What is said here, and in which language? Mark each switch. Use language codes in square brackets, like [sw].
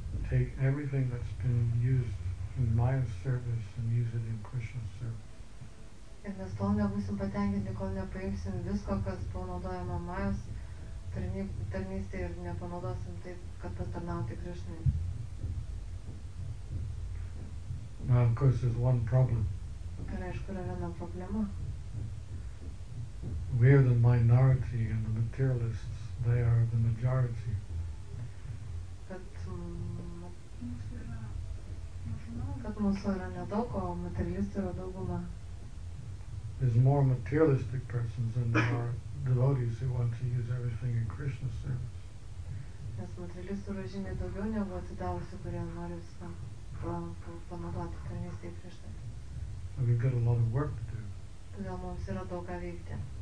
[en] take everything that's been used in Maya's service and use it in Krishna's service. [lt] Ir mes tol nebūsim patenkinti, kol nepaimsim visko, kas buvo naudojama Majos tarnystė ir nepanaudosim tai, kad patarnauti Krišnai. [en] Now, of course, there's one problem. [lt] Ir aišku, yra viena problema. [en] We are the minority and the materialists, they are the majority. [lt] Kad mūsų yra nedaug, o materialistų yra dauguma. [en] There's more materialistic persons than there are devotees who want to use everything in Krishna's service. [lt] Nes materialistų yra žymiai daugiau negu atidavusių, kurie nori viską panaudoti tarnystėje Krishnai. [en] We've got a lot of work to do. [lt] Todėl mums yra daug ką veikti.